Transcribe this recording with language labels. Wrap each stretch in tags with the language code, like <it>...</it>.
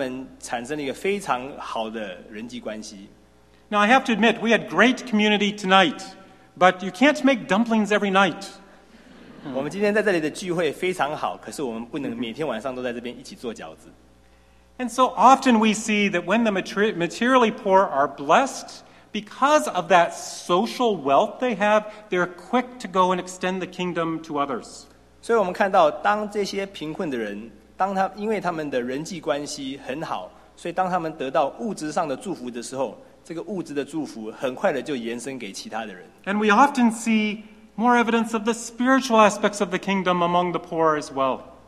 <zh>他们需要更多的彼此依赖，也因为这个样子，他们产生了一个非常好的人际关系。</zh> <en>Now, I have to admit, we had great community tonight, but you can't make dumplings every night.</en> <zh>我们今天在这里的聚会非常好，可是我们不能每天晚上都在这边一起做饺子。</zh> <en>And so often we see that when the materially poor are blessed, because of that social wealth they have, they're quick to go and extend the kingdom to others.</en> <zh>所以我们看到，当这些贫困的人，当他因为他们的人际关系很好，所以当他们得到物质上的祝福的时候， 这个物质的祝福很快的就延伸给其他的人。</zh> <en>And we often see more evidence of the spiritual aspects of the kingdom among the poor as well.</en>